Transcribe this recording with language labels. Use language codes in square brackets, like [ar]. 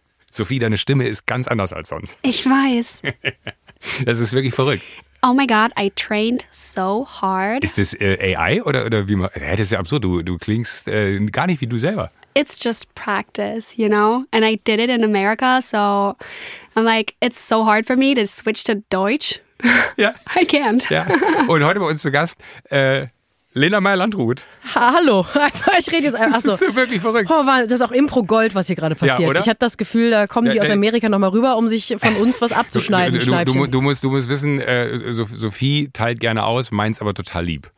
[de] Sophie, deine Stimme ist ganz anders als sonst. Ich weiß. Das ist wirklich verrückt. [en] Oh my God, I trained so hard. [de] Ist das AI oder wie man? Das ist ja absurd. Du klingst gar nicht wie du selber. [en] It's just practice, you know? And I did it in America, so I'm like, it's so hard for me to switch to Deutsch. [de] Ja. [en] I can't. [de] Ja. Und heute bei uns zu Gast, Lena Meyer-Landrut. Hallo. Ich rede jetzt einfach so. Das ist so wirklich verrückt. Oh, Mann, das ist auch Impro-Gold, was hier gerade passiert. Ja, ich habe das Gefühl, da kommen die aus Amerika nochmal rüber, um sich von uns was abzuschneiden. Du musst wissen, Sophie teilt gerne aus, meint's aber total lieb.